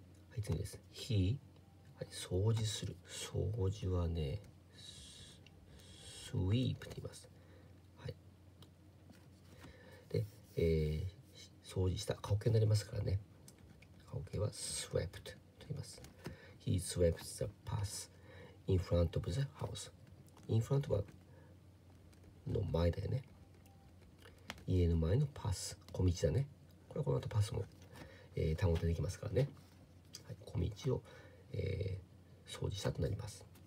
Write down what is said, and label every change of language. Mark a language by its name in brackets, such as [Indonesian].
[Japanese] はい、次です。He、はい、掃除する。掃除はね、sweep と言います。はい。で、掃除した過去形になりますからね。過去形は swept と言います。 [English] He swept the path in front of the house。 in front [Japanese] はの前だよね。家の前のパス、小道だね。これはこの後パスも、単語出てきますからね。はい、小道を、掃除したとなります。